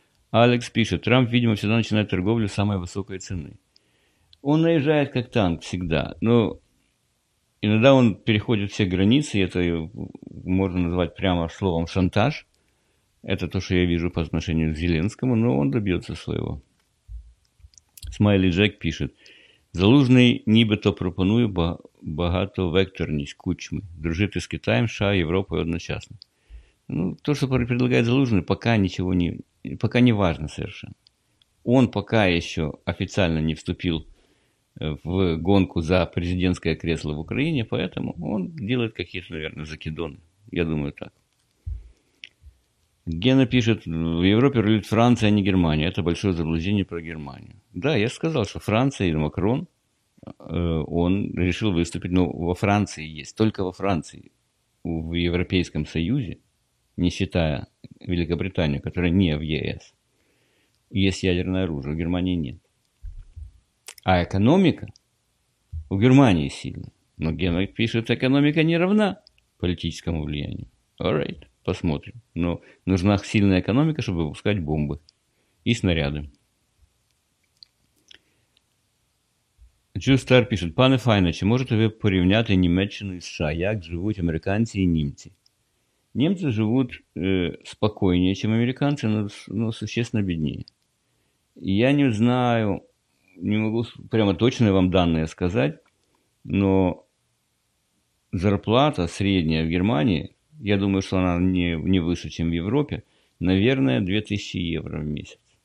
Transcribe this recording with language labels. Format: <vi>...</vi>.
<ru>Алекс пишет, Трамп, видимо, всегда начинает торговлю с самой высокой цены. Он наезжает как танк всегда, но иногда он переходит все границы, это можно назвать прямо словом шантаж. Это то, что я вижу по отношению к Зеленскому, но он добьется своего. Смайли Джек пишет.</ru> <uk>Залужний нібито пропонує багатовекторність кучми. Дружити з Китаем, США, Європою одночасно.</uk> <ru>Ну, то, что предлагает Залужний, пока ничего не... Пока не важно совершенно. Он пока еще официально не вступил в гонку за президентское кресло в Украине, поэтому он делает какие-то, наверное, закидоны. Я думаю, так. Гена пишет, в Европе рулит Франция, а не Германия. Это большое заблуждение про Германию. Да, я сказал, что Франция и Макрон, он решил выступить, но во Франции есть, только во Франции, в Европейском Союзе, не считая Великобританию, которая не в ЕС, есть ядерное оружие, в Германии нет. А экономика у Германии сильна. Но Гена пишет, экономика не равна политическому влиянию. Alright, посмотрим. Но нужна сильная экономика, чтобы выпускать бомбы и снаряды.</ru> <uk>Джустар пишет, пане Файна, чи можете ви порівняти Німеччину і США? Як живуть американці і німці? Німці живуть спокійніше, чим американці, але существенно бідніше.</uk> <ru>Я не знаю... Не могу прямо точно вам данные сказать, но зарплата средняя в Германии, я думаю, что она не выше, чем в Европе, наверное, 2000 евро в месяц.</ru>